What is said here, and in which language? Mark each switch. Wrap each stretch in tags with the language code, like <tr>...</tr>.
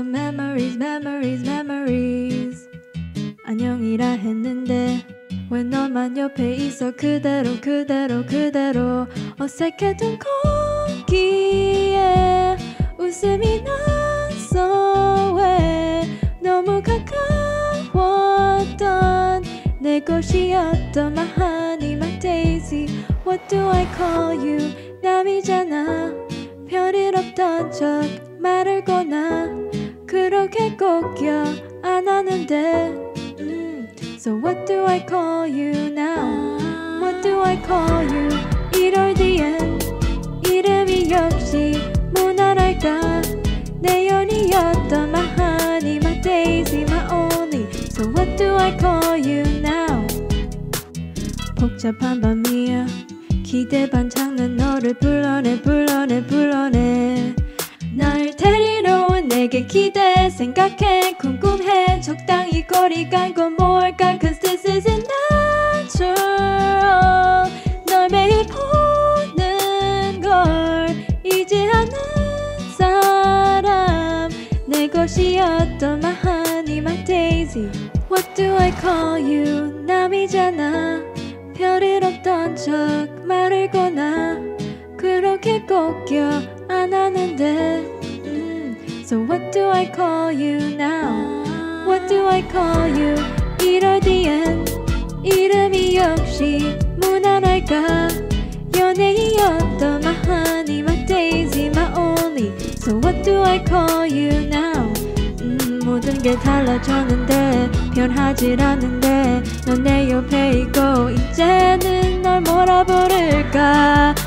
<en>Memories, memories, memories.</en> <ko>안녕이라 했는데 왜 너만 옆에 있어. 그대로 그대로 그대로 어색했던 거기에 웃음이 났어. 왜 너무 가까웠던 내 것이었던</ko> <en>my honey, my daisy. What do I call you?</en> <ko>남이잖아. 별일 없던 척 말을 거나 그렇게 꼭 기억 안 하는데.</ko> <en>So what do I call you now? What do I call you?</en> <ko>이럴 뒤엔 이름이 역시 무난할까. 내 연이었던</ko> <en>my honey, my daisy, my only. So what do I call you now?</en> <ko>복잡한 밤이야. 기대 반 장난 너를 불러내 불러내 불러내. 날 데리러 내게 기대 생각해 궁금해. 적당히 거리 간 건 뭘까.</ko> <en>Cause this isn't natural.</en> <ko>널 매일 보는 걸 잊지 않는 사람. 내 것이었던</ko> <en>my honey, my daisy. What do I call you?</en> <ko>남이잖아. 별일 없던 척 말을 거나 그렇게 꼭 기억 안 하는데.</ko> <en>So what do I call you now? What do I call you?</en> <ko>이럴 뒤엔 이름이 역시 무난할까. 연예인이었던</ko> <en>my honey, my daisy, my only. So what do I call you now?</en> <ko>모든 게 달라졌는데 변하질 않는데. 넌 내 옆에 있고 이제는 널 뭐라 부를까.</ko>